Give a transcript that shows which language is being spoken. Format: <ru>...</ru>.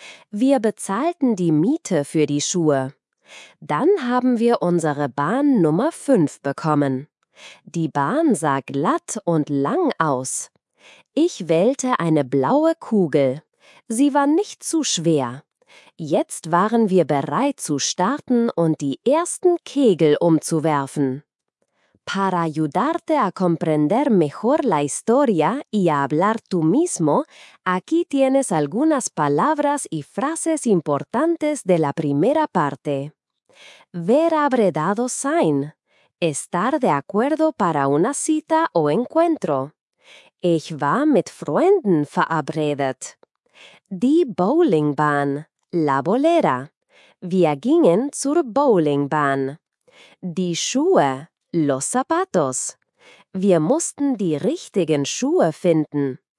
<de>Wir bezahlten die Miete für die Schuhe. Dann haben wir unsere Bahn Nummer 5 bekommen. Die Bahn sah glatt und lang aus. Ich wählte eine blaue Kugel. Sie war nicht zu schwer. Jetzt waren wir bereit zu starten und die ersten Kegel umzuwerfen.</de> <es>Para ayudarte a comprender mejor la historia y a hablar tú mismo, aquí tienes algunas palabras y frases importantes de la primera parte.</es> <de>Ver abredado sein.</de> <es>Estar de acuerdo para una cita o encuentro.</es> <de>Ich war mit Freunden verabredet. Die Bowlingbahn.</de> <es>La bolera.</es> <de>Wir gingen zur Bowlingbahn. Die Schuhe.</de> <es>Los zapatos.</es> <de>Wir mussten die richtigen Schuhe finden.</de>